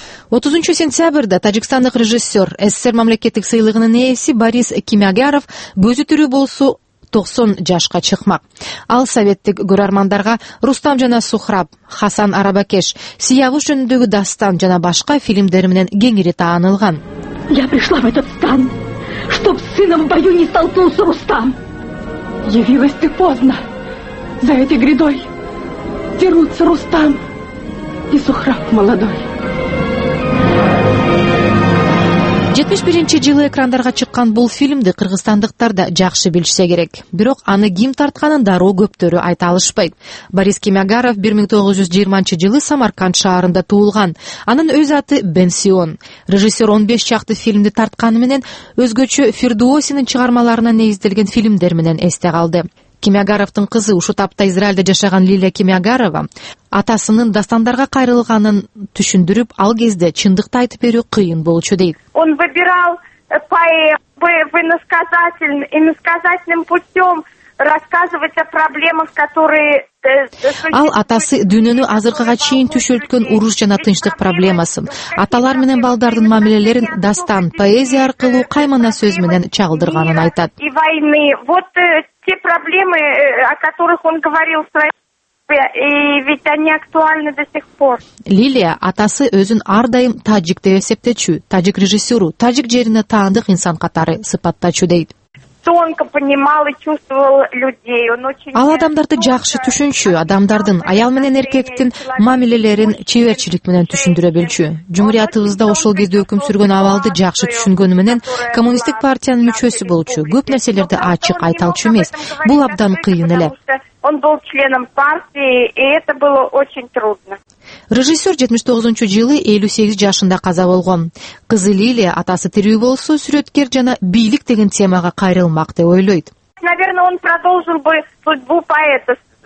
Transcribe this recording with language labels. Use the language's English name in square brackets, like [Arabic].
[Kyrgyz] 30 сентябрда тажикстандык режиссер, СССР мамлекеттик сыйлыгынын ээси Борис Кимягяров көзү тирүү болсо 90 жашка чыкмак. Ал советтик көрөрмандарга Рустам жана Сухраб, Хасан Арабакеш, Сиявуш жөнүндөгү дастан жана башка фильмдери менен кеңири таанылган. [Russian] Я пришла в этот стан, чтоб с сыном в бою не столкнулся Рустам. Явилась ты поздно. За этой грядой дерутся Рустам и Сухраб молодой. [Kyrgyz] 71-чи жылы экрандарга чыккан бул фильмди кыргызстандыктар да жакшы билишсе керек. Бирок аны ким тартканын дароо көптөрү айта алышпайт. Борис Кимягяров 1920-чы жылы Самарканд шаарында туулган. Анын өз аты Бенсион. Режиссер 15 чакты фильмди тартканы менен өзгөчө Фирдоусинин чыгармаларына негизделген фильмдер менен эсте калды. Кимягяровдун кызы ушу тапта Израилде жашаган Лилия Кимягярова атасынын дастандарга кайрылганын түшүндүрүп, ал кезде чындыкты айтып берүү кыйын болчу дейт. [Russian] Он выбирал по иносказательным путём рассказывать о проблемах, которые [Kyrgyz] Ал атасы дүйнөнү азыркыга чейин түшөлткөн уруш жана тынчтык проблемасын, аталар менен балдардын мамилелерин дастан, поэзия аркылуу каймана сөз менен чагылдырганын айтат. [Russian] И войны. Вот те проблемы, о которых он говорил в своей [Kyrgyz] Лилия атасы өзүн ар дайым тажик деп эсептечү, тажик режиссеру, тажик жерине таандык инсан катары сыпаттачу дейт. [Russian] Тонко понимал и чувствовал людей. Он очень [Kyrgyz] Ал адамдарды жакшы түшүнчү, адамдардын, аял менен эркектин мамилелерин чеберчилик менен түшүндүрө билчү. Жумуриятыбызда ошол кезде өкүм сүргөн абалды жакшы түшүнгөнү менен коммунисттик партиянын мүчөсү болчу, көп нерселерди ачык айталчу эмес. Бул абдан кыйын эле. [Russian] Он был членом партии, и это было очень трудно. [Kyrgyz] Режиссер 79-чу жылы 58 жашында каза болгон. Кызы Лилия атасы тирүү болсо, сүрөткер жана бийлик деген темага кайрылмак деп ойлойт. [Russian] Наверное, он продолжил бы судьбу поэта.